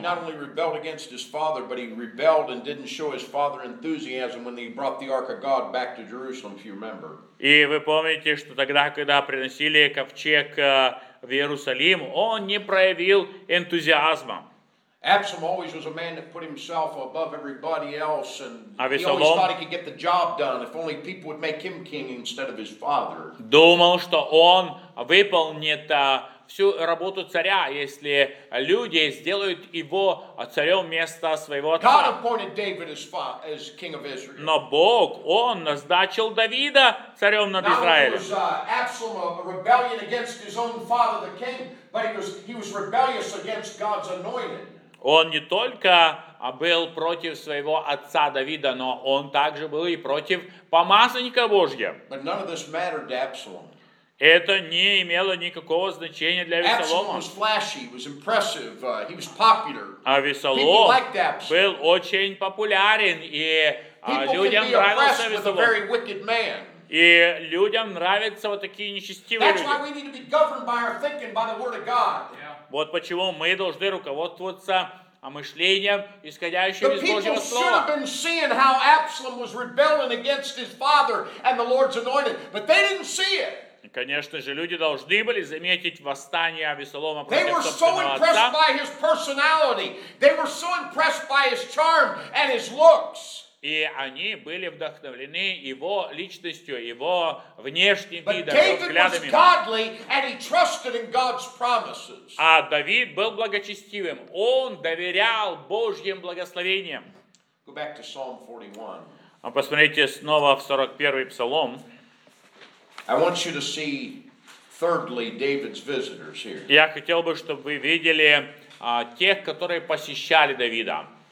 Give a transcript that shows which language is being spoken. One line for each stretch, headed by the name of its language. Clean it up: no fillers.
Russian: И вы помните, что тогда, когда приносили ковчег в Иерусалим, он не проявил энтузиазма.
English: Absalom always was a man that put himself above everybody else, and he always thought he could get the job done if only people would make him king instead of his father.
Russian: Думал, что он выполнит всю работу царя, если люди сделают его царем вместо своего отца.
English: God appointed David as king of Israel.
Russian: Но Бог, он назначил Давида царем над Израилем.
English: Now, Absalom, a rebellion against his own father, the king, but he was rebellious against God's anointed.
Russian: Он не только был против своего отца Давида, но он также был и против помазанника Божьего. Это не имело никакого значения для Авессалома. Авессалом был очень популярен, и людям нравился Авессалом. И людям нравятся вот такие нечестивые люди.
English: That's why we need to be governed by our thinking, by the word of God.
Russian: Вот почему мы должны руководствоваться о мышлении, исходящем из Божьего слова.
English: The people should have been seeing how Absalom was rebelling against his father and the Lord's anointed, but they didn't see it.
Russian: Конечно же, люди должны были заметить восстание Авессалома против собственного отца.
English: They were so impressed by his personality. They were so impressed by his charm and his looks.
Russian: И они были вдохновлены его личностью, его внешним видом, взглядами.
English: But David was godly, and he trusted in God's promises.
Russian: А Давид был благочестивым. Он доверял Божьим благословениям.
English: Go back to Psalm 41.
Russian: А посмотрите снова в 41-й псалом.
English: I want you to see, thirdly, David's visitors here.
Russian: Я хотел бы, чтобы вы видели тех, которые посещали Давида.